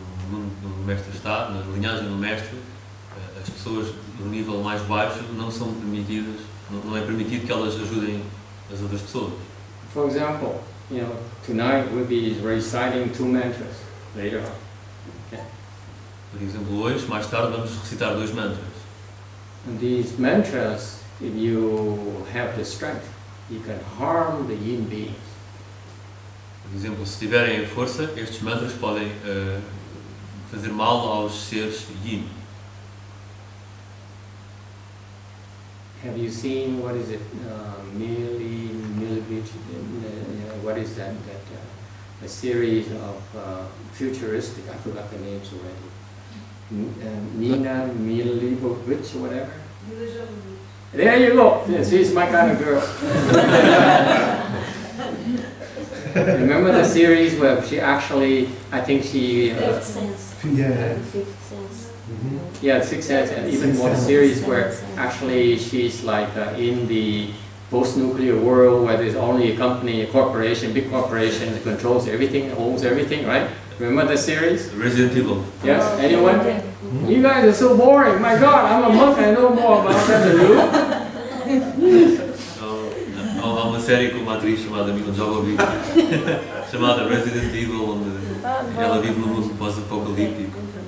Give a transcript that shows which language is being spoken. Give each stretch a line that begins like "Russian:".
Portuguese: No mestre está, na linhagem do mestre, as pessoas do nível mais baixo não são permitidas, não é permitido que elas ajudem as outras pessoas.
English: For example, you know, tonight we'll be reciting two mantras later on. Okay.
Portuguese: Por exemplo, hoje, mais tarde, vamos recitar dois mantras.
English: And these mantras, if you have the strength, you can harm the yin beings.
Portuguese: Por exemplo, se tiverem a força, estes mantras podem fazer mal aos seres yin.
English: Have you seen what is it, mili, milibit, what is that, a series of futuristic, I forgot the names already, Nina, milibit, whatever? There you go, yeah, she's my kind of girl. Remember the series where she actually, I think she... Fifth sense. Yeah. Mm-hmm. Yeah, six heads, and even more series where actually she's like in the post-nuclear world where there's only a company, a corporation, big corporation that controls everything, owns everything, right? Remember the series? Resident Evil. Yes, anyone? Mm-hmm. You guys are so boring. My God, I'm a monk, I know more about that than you.
Portuguese: Há uma série com uma atriz chamada Mila Jovovich, chamada Resident Evil, onde ela vive no mundo pós-apocalíptico.